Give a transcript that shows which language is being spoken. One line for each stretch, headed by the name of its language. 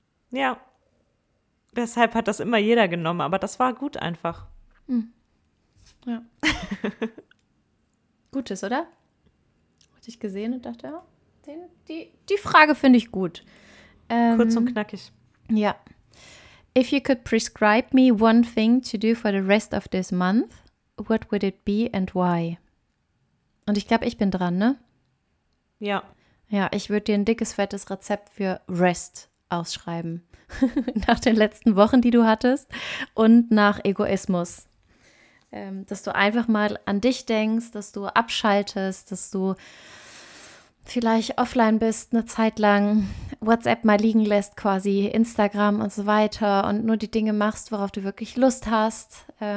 German: Ja. Deshalb hat das immer jeder genommen, aber das war gut einfach. Hm. Ja. Gutes, oder? Hatte ich gesehen und dachte, ja, die Frage finde ich gut. Kurz und knackig. Ja.
English: If you could prescribe me one thing to do for the rest of this month, what would it be and why?
German: Und ich glaube, ich bin dran, ne? Ja. Ja, ich würde dir ein dickes, fettes Rezept für Rest ausschreiben. Nach den letzten Wochen, die du hattest und nach Egoismus. Dass du einfach mal an dich denkst, dass du abschaltest, dass du vielleicht offline bist eine Zeit lang, WhatsApp mal liegen lässt quasi, Instagram und so weiter und nur die Dinge machst, worauf du wirklich Lust hast.